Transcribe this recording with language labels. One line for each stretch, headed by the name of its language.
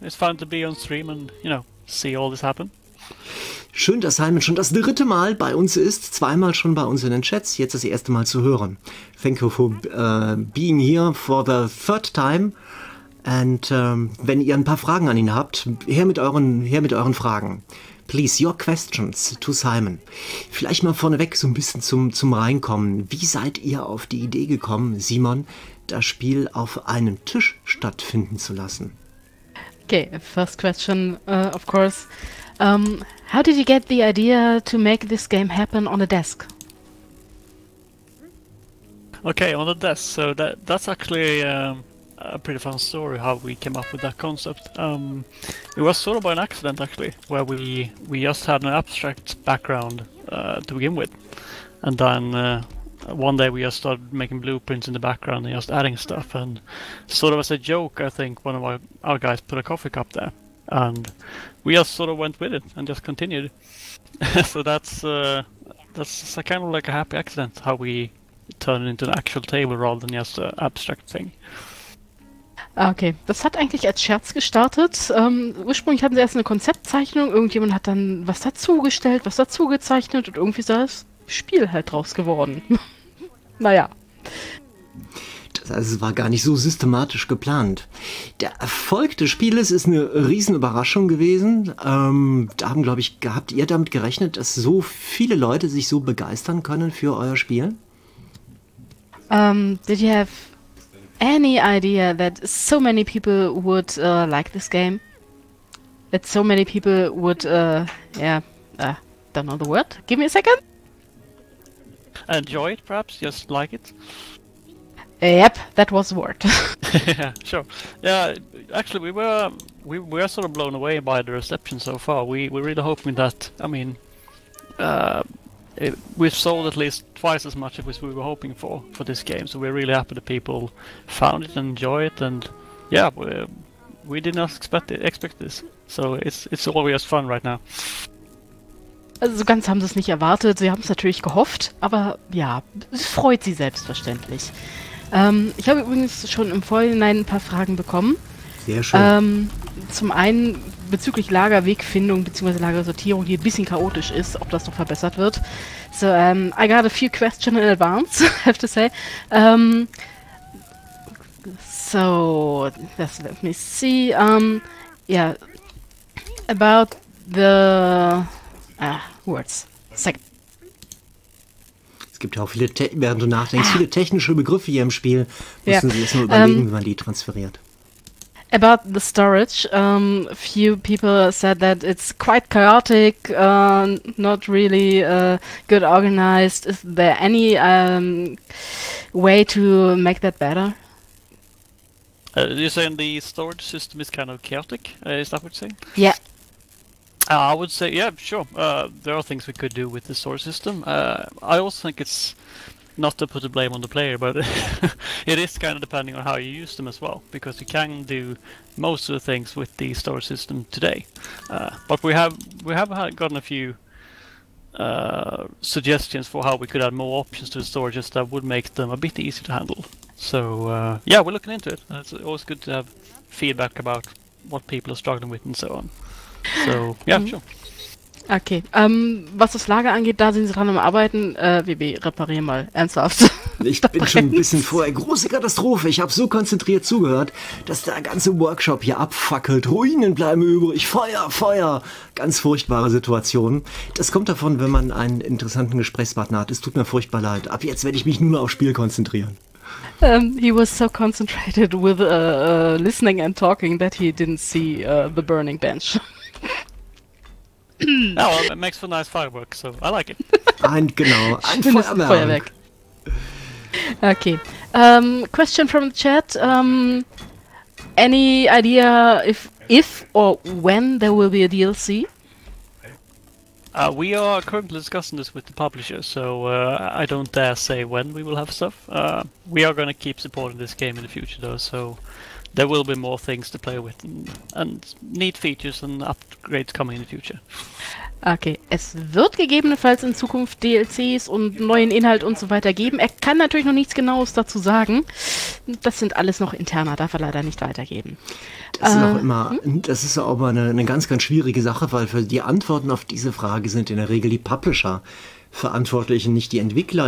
English: It's fun to be on stream and, you know, see all this happen.
German: Schön, dass Simon schon das dritte Mal bei uns ist, zweimal schon bei uns in den Chats, jetzt das erste Mal zu hören.
English: Thank you for being here for the third time.
German: And wenn ihr ein paar Fragen an ihn habt, her mit euren Fragen.
English: Please, your questions to Simon.
German: Vielleicht mal vorneweg so ein bisschen zum Reinkommen. Wie seid ihr auf die Idee gekommen, Simon, das Spiel auf einem Tisch stattfinden zu lassen?
English: Okay, first question, of course. How did you get the idea to make this game happen on a desk? Okay, on a desk. So that's actually a pretty fun story how we came up with that concept. It was sort of by an accident actually, where we just had an abstract background to begin with, and then one day we just started making blueprints in the background and just adding stuff, and sort of as a joke, I think one of our guys put a coffee cup there, and we just sort of went with it and just continued. So that's a kind of like a happy accident how we turned it into an actual table rather than just an abstract thing.
German: Okay, das hat eigentlich als Scherz gestartet. Ursprünglich hatten sie erst eine Konzeptzeichnung, irgendjemand hat dann was dazugestellt, was dazugezeichnet und irgendwie sah das Spiel halt draus geworden. Naja. Das heißt, es war gar nicht so systematisch geplant. Der Erfolg des Spieles ist eine Riesenüberraschung gewesen. Da haben, glaube ich, habt ihr damit gerechnet, dass so viele Leute sich so begeistern können für euer Spiel?
English: Did you have any idea that so many people would like this game? That so many people would, don't know the word. Give me a second. Enjoy it, perhaps, just like it. Yep, that was the word. Yeah, sure. Yeah, actually, we were sort of blown away by the reception so far. We're really hoping that, I mean, we've sold at least twice as much as we were hoping for this game, so we're really happy that people found it and enjoy it, and yeah, we did not expect this, so it's always fun right now.
German: Also so ganz haben sie es nicht erwartet, sie haben es natürlich gehofft, aber ja, es freut sie selbstverständlich. Ich habe übrigens schon im Vorhinein ein paar Fragen bekommen. Sehr schön. Zum einen bezüglich Lagerwegfindung bzw. Lagersortierung, die ein bisschen chaotisch ist, ob das noch verbessert wird.
English: So, I got a few questions in advance, I have to say. So, let me see. About the... words. Second.
German: Es gibt ja auch viele, während du nachdenkst, viele technische Begriffe hier im Spiel. Müssen Sie jetzt nur überlegen, wie man die transferiert.
English: About the storage, few people said that it's quite chaotic, not really good organized. Is there any way to make that better? You're saying the storage system is kind of chaotic, is that what you're saying? Yeah. I would say, yeah, sure. There are things we could do with the storage system. I also think it's not to put the blame on the player, but it is kind of depending on how you use them as well, because you can do most of the things with the storage system today. But we have gotten a few suggestions for how we could add more options to the storage system that would make them a bit easier to handle. So yeah, we're looking into it. It's always good to have feedback about what people are struggling with and so on. So yeah, sure.
German: Okay, was das Lager angeht, da sind sie dran am Arbeiten. WB, reparier mal, ernsthaft. Ich bin brennt. Schon ein bisschen vorher. Große Katastrophe, ich habe so konzentriert zugehört, dass der ganze Workshop hier abfackelt. Ruinen bleiben übrig, Feuer. Ganz furchtbare Situation. Das kommt davon, wenn man einen interessanten Gesprächspartner hat. Es tut mir furchtbar leid. Ab jetzt werde ich mich nur noch aufs Spiel konzentrieren.
English: He was so concentrated with listening and talking that he didn't see the burning bench. Oh, well, it makes for nice fireworks, so I like it.
German: Ein, genau, ein Feuerwerk.
English: Okay. Question from the chat. Any idea if or when there will be a DLC? We are currently discussing this with the publisher, so I don't dare say when we will have stuff. We are going to keep supporting this game in the future, though, so there will be more things to play with and neat features and upgrades coming in the future.
German: Okay, es wird gegebenenfalls in Zukunft DLCs und neuen Inhalt und so weiter geben. Er kann natürlich noch nichts Genaues dazu sagen. Das sind alles noch interner, darf er leider nicht weitergeben. Das ist auch immer eine ganz, ganz schwierige Sache, weil für die Antworten auf diese Frage sind in der Regel die Publisher verantwortlich, nicht die Entwickler.